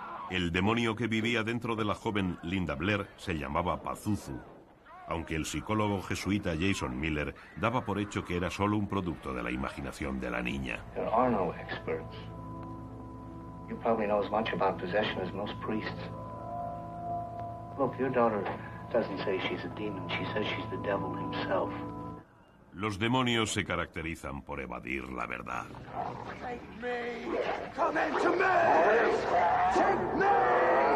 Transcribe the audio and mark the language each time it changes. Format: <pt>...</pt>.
<es>El demonio que vivía dentro de la joven Linda Blair se llamaba Pazuzu, aunque el psicólogo jesuita Jason Miller daba por hecho que era solo un producto de la imaginación de la niña.</es> <en>There are no experts. You probably know as much about possession as most priests. Look, your daughter doesn't say she's a demon. She says she's the devil himself.</en> <es>Los demonios se caracterizan por evadir la verdad.</es> <en>Take me. Come into me. Take me.</en>